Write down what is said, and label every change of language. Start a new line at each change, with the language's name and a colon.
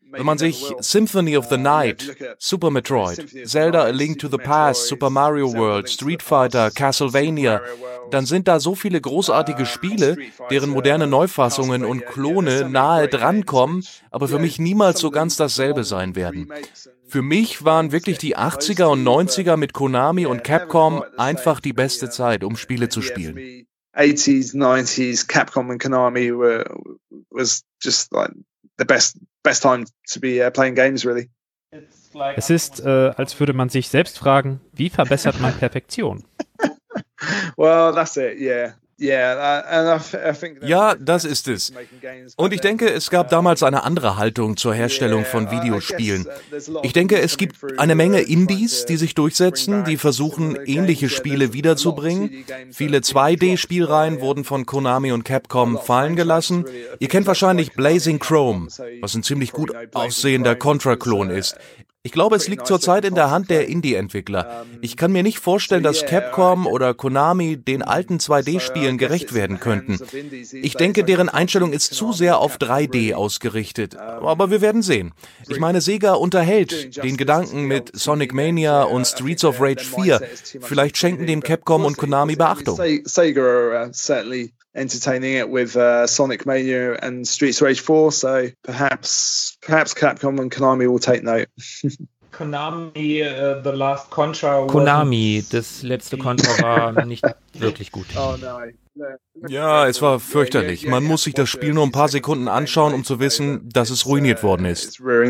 German: Wenn man sich Symphony of the Night, Super Metroid, Zelda A Link to the Past, Super Mario World, Street Fighter, Castlevania, dann sind da so viele großartige Spiele, deren moderne Neufassungen und Klone nahe dran kommen, aber für mich niemals so ganz dasselbe sein werden. Für mich waren wirklich die 80er und 90er mit Konami und Capcom einfach die beste Zeit, um Spiele zu spielen.
English: 80s, 90s, Capcom und Konami was just like the best time to be playing games, really.
German: Es ist, als würde man sich selbst fragen, wie verbessert man Perfektion?
English: Well, that's it, yeah.
German: Ja, das ist es. Und ich denke, es gab damals eine andere Haltung zur Herstellung von Videospielen. Ich denke, es gibt eine Menge Indies, die sich durchsetzen, die versuchen, ähnliche Spiele wiederzubringen. Viele 2D-Spielreihen wurden von Konami und Capcom fallen gelassen. Ihr kennt wahrscheinlich Blazing Chrome, was ein ziemlich gut aussehender Contra-Klon ist. Ich glaube, es liegt zurzeit in der Hand der Indie-Entwickler. Ich kann mir nicht vorstellen, dass Capcom oder Konami den alten 2D-Spielen gerecht werden könnten. Ich denke, deren Einstellung ist zu sehr auf 3D ausgerichtet. Aber wir werden sehen. Ich meine, Sega unterhält den Gedanken mit Sonic Mania und Streets of Rage 4. Vielleicht schenken dem Capcom und Konami Beachtung.
English: Sega certainly entertaining it with Sonic Mania and Streets of Rage 4, so perhaps Capcom and Konami will take note. Konami, the last Contra.
German: Konami, das letzte Contra war nicht wirklich gut. Ja, es war fürchterlich. Man muss sich das Spiel nur ein paar Sekunden anschauen, um zu wissen, dass es ruiniert worden ist.